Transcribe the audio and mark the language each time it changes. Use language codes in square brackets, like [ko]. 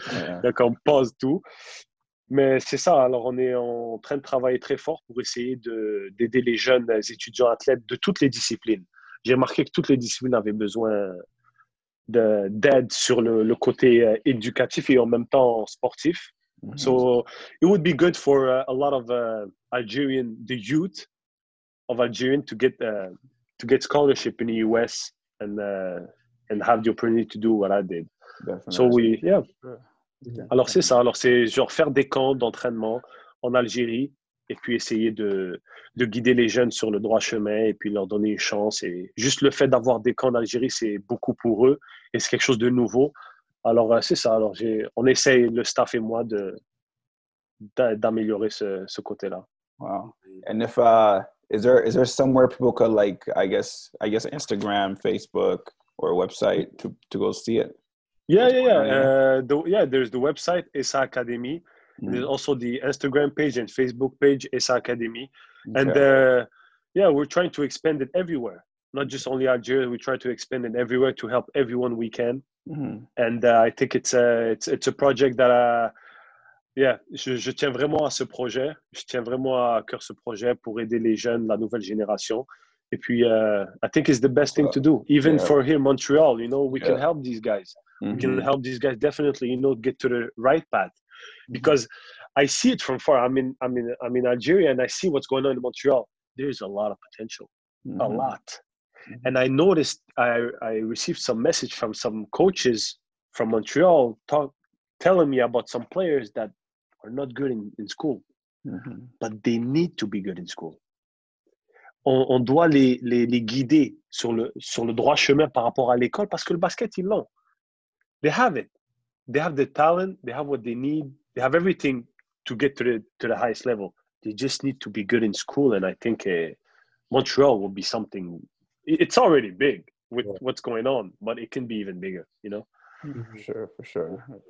[fr] Yeah. Donc on pause tout. Mais c'est ça, alors on est en train de travailler très fort pour essayer d'aider les jeunes étudiants athlètes de toutes les disciplines. J'ai remarqué que toutes les disciplines avaient besoin d'aide sur le côté éducatif et en même temps sportif. Mm-hmm. [en] So it would be good for a lot of Algerian, the youth of Algerian to get scholarship in the US and have the opportunity to do what I did. Definitely. So we, yeah. Yeah. Yeah. [fr] Alors c'est ça, alors c'est genre faire des camps d'entraînement en Algérie et puis essayer de guider les jeunes sur le droit chemin et puis leur donner une chance. Et juste le fait d'avoir des camps en Algérie, c'est beaucoup pour eux et c'est quelque chose de nouveau. Alors c'est ça, alors on essaye, le staff et moi, d'améliorer ce côté-là. [en] Wow. And if, is there somewhere people could like, I guess Instagram, Facebook or a website to go see it? Yeah. There's the website ESA Academy. Mm-hmm. There's also the Instagram page and Facebook page ESA Academy. Okay. And we're trying to expand it everywhere, not just only Algeria. We try to expand it everywhere to help everyone we can. Mm-hmm. And I think it's a project that [fr] je tiens vraiment à ce projet. Je tiens vraiment à cœur ce projet pour aider les jeunes, la nouvelle génération. Et puis, [en] I think it's the best thing to do, even for here, Montreal. You know, we can help these guys. Mm-hmm. We can help these guys definitely, you know, get to the right path. Because mm-hmm. I see it from far. I'm in Algeria, and I see what's going on in Montreal. There's a lot of potential, mm-hmm. a lot. Mm-hmm. And I noticed, I received some message from some coaches from Montreal telling me about some players that are not good in school. Mm-hmm. But they need to be good in school. [fr] On doit les guider sur le droit chemin par rapport à l'école parce que le basket, ils l'ont. [en] They have it. They have the talent. They have what they need. They have everything to get to the highest level. they just need to be good in school. And I think Montreal will be something. It's already big with what's going on, but it can be even bigger, you know? For sure.